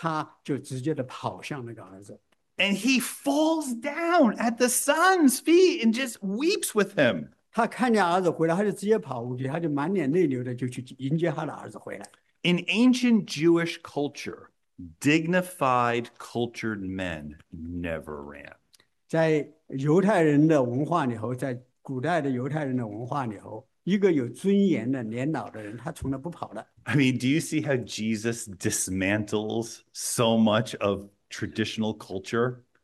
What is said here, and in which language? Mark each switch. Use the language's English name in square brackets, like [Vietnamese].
[Chinese] 你看这个父亲他怎么做的？他又是一件在做出了一件对第一世纪的犹太人极为震惊的事情，他就直接的跑向那个儿子。 [English] And he falls down at the son's feet and just weeps with him. [Chinese] 他看见儿子回来，他就直接跑过去，他就满脸泪流的就去迎接他的儿子回来。 [English] In ancient Jewish culture, dignified, cultured men never ran. [Chinese] 在犹太人的文化里头，在古代的犹太人的文化里头，一个有尊严的年老的人，他从来不跑的。 [English] I mean, do you see how Jesus dismantles so much of traditional culture?